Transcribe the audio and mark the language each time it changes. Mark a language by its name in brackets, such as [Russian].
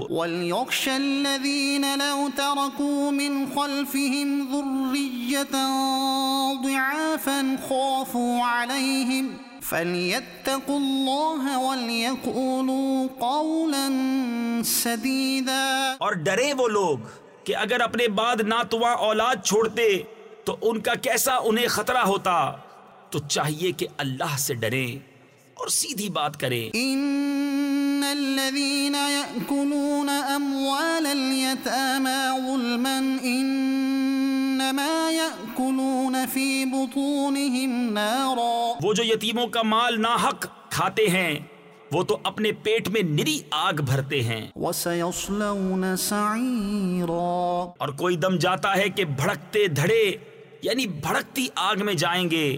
[Arabic] وَلْيَخْشَ الَّذِينَ لَوْ تَرَكُوا مِنْ خَلْفِهِمْ ذُرِّيَّةً ضِعَافًا خَافُوا عَلَيْهِمْ فَلْيَتَّقُوا اللَّهَ وَلْيَقُولُوا قَوْلًا سَدِيدًا [Urdu] اور ڈرے وہ لوگ کہ اگر اپنے بعد ناتواں اولاد چھوڑتے تو ان کا کیسا انہیں خطرہ ہوتا, تو چاہیے کہ اللہ سے ڈریں اور سیدھی بات کریں. [Arabic] ان الذين ياكلون اموال اليتامى ظلما انما ياكلون في بطونهم نارا [Urdu] وہ جو یتیموں کا مال ناحق کھاتے ہیں وہ تو اپنے پیٹ میں نری آگ بھرتے ہیں. [Arabic] وسيصلون سعيرا [Urdu] اور کوئی دم جاتا ہے کہ بھڑکتے دھڑے یعنی بھڑکتی آگ میں جائیں گے.